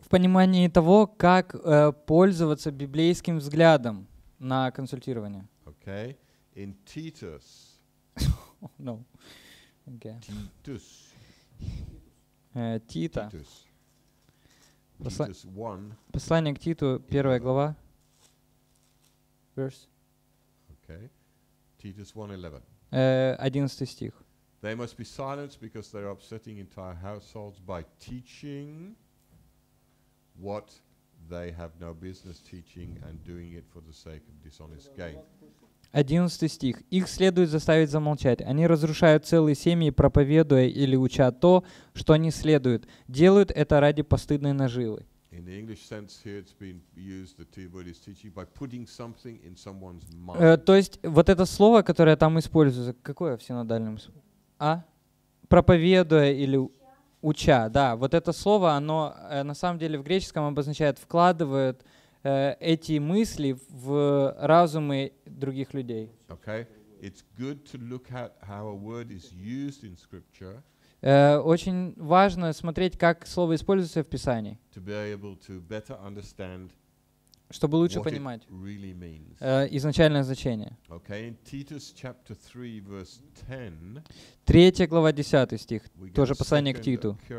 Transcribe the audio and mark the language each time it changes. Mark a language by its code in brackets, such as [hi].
[ru] В понимании того, как пользоваться библейским взглядом на консультирование. [en] Okay, in Titus. No. Okay. Titus. [ru] Tita. [en] Titus. [ru] Послание к Титу, первая глава. [en] They must be silenced because they are upsetting entire households by teaching what they have no business teaching and doing it for the sake of dishonest gain. [ru] 11 стих. Их следует заставить замолчать. Они разрушают целые семьи, проповедуя или уча то, что не следует. Делают это ради постыдной наживы. [en] In the English sense here it's been used, the two word is teaching, by putting something in someone's mind. [ru] То есть вот это слово, которое там используется, какое в синодальном смысле? Проповедуя или уча. Да, вот это слово, оно на самом деле в греческом обозначает вкладывают эти мысли в разумы других людей. [en] Okay. It's good to look at how a word is used in scripture. [ru] Очень важно смотреть, как слово используется в Писании, [en] to be able to better understand, [ru] чтобы лучше понимать [en] really means. [ru] Изначальное значение. [en] Okay. In Titus chapter 3, verse 10, [ru] 3 глава, 10 стих, тоже послание к Титу.